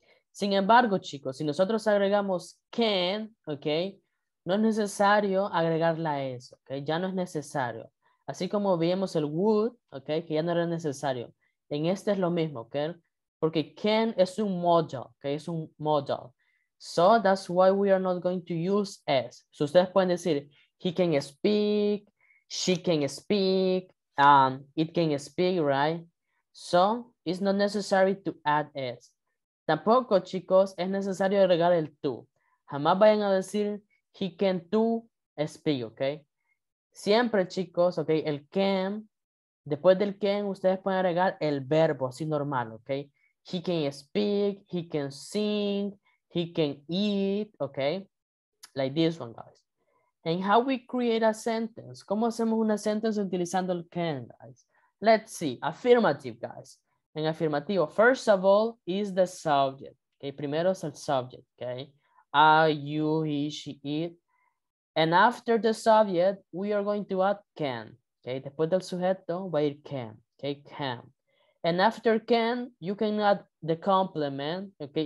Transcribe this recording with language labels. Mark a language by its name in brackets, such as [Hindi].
[Spanish] Sin embargo, chicos, si nosotros agregamos can, ok, no es necesario agregar la S, ok, ya no es necesario. Así como veíamos el would, ok, que ya no era necesario. En este es lo mismo, ok, porque can es un modal, ok, es un modal. [English] So that's why we are not going to use S. So [Spanish] ustedes pueden decir, [English] he can speak, she can speak, it can speak, right? So it's not necessary to add S. [Spanish] Tampoco, chicos, es necesario agregar el to. Jamás vayan a decir, [English] he can to speak, [Spanish] ok? Siempre, chicos, ok, el can, después del can, ustedes pueden agregar el verbo, así normal, ok? [English] He can speak, he can sing, he can eat, ok? Like this one, guys. And how we create a sentence? [Spanish] ¿Cómo hacemos una sentence utilizando el can, [English] guys? Let's see, affirmative, guys. [Spanish] En afirmativo, [English] first of all, is the subject, okay? [Spanish] Primero es el subject, okay? [English] I, you, he, she, it. And after the subject, we are going to add can, okay? [Spanish] Después del sujeto, va a ir can, okay? [English] Can. And after can, you can add the complement, okay?